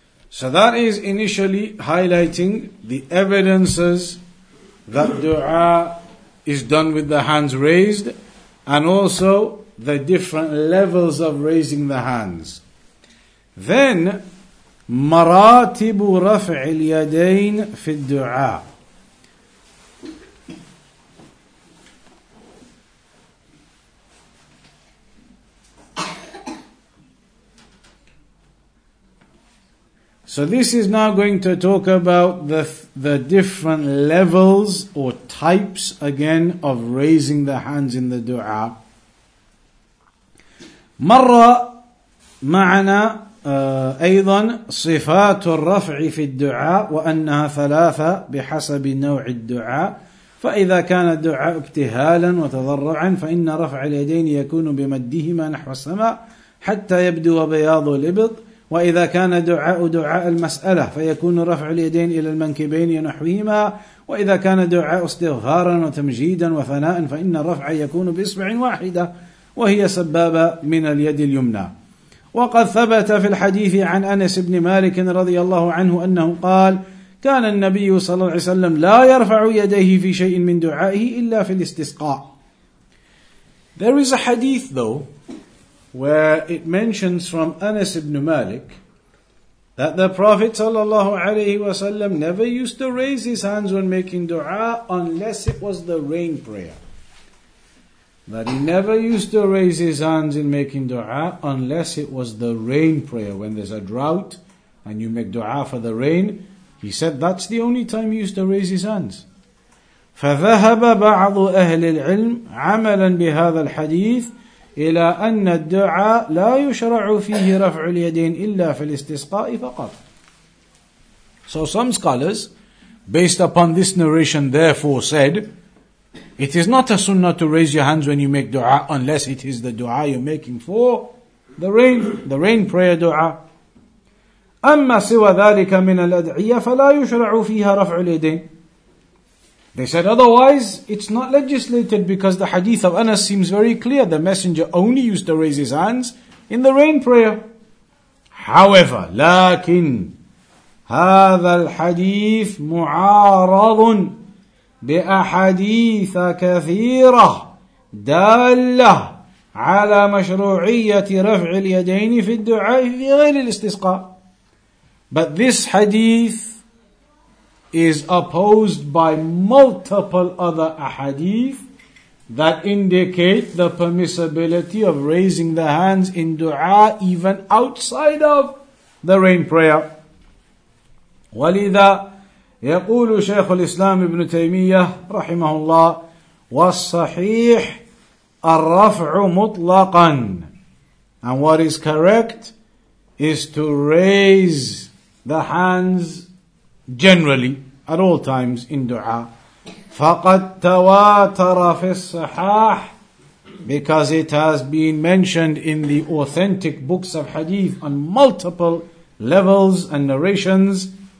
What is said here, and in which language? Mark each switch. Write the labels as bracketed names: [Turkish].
[English] So that is initially highlighting the evidences that dua is done with the hands raised, and also the different levels of raising the hands. Then, [Arabic] مراتب رفع اليدين في الدعاء. [English] So this is now going to talk about the different levels or types again of raising the hands in the dua. [Arabic] مرة معنا أيضا صفات الرفع في الدعاء وأنها ثلاثة بحسب نوع الدعاء. فإذا كان الدعاء ابتهالا وتضرعا فإن رفع اليدين يكون بمدهما نحو السماء حتى يبدو بياض الإبط. وإذا كان دعاء المسألة فيكون رفع اليدين إلى المنكبين نحوهما. وإذا كان دعاء استغفارا وتمجيدا وفناء فإن الرفع يكون بإصبع واحدة وهي سبابة من اليد اليمنى. وقد ثبت في الحديث عن أنس بن مالك رضي الله عنه أنه قال كان النبي صلى الله عليه وسلم لا يرفع يديه في شيء من دعائه إلا في الاستسقاء. [English] There is a hadith though where it mentions from Anas ibn Malik that the Prophet sallallahu alayhi wa sallam never used to raise his hands when making dua unless it was the rain prayer. That he never used to raise his hands in making dua unless it was the rain prayer. When there's a drought and you make dua for the rain, he said that's the only time he used to raise his hands. [Arabic] فذهب بعض أهل العلم عملا بهذا الحديث إلى أن الدعاء لا يشرع فيه رفع اليدين إلا في الاستسقاء فقط. [English] So some scholars, based upon this narration, therefore said, it is not a sunnah to raise your hands when you make dua unless it is the dua you're making for the rain prayer dua. [Arabic] أما سوى ذلك من الأدعية فلا يشرع فيها رفع اليدين. [English] They said, otherwise, it's not legislated because the hadith of Anas seems very clear. The messenger only used to raise his hands in the rain prayer. However, [Arabic] لكن هذا الحديث معارض بأحاديث كثيرة دالة على مشروعية رفع اليدين في الدعاء في غير الاستسقاء. [English] But this hadith is opposed by multiple other ahadith that indicate the permissibility of raising the hands in dua even outside of the rain prayer. [Arabic] ولذا يقول شيخ الإسلام ابن تيمية رحمه الله والصحيح الرفع مطلقا. [English] And what is correct is to raise the hands generally at all times in dua. [Arabic] فَقَدْ تَوَاتَرَ فِي الصَّحَاحِ, [English] because it has been mentioned in the authentic books of hadith on multiple levels and narrations.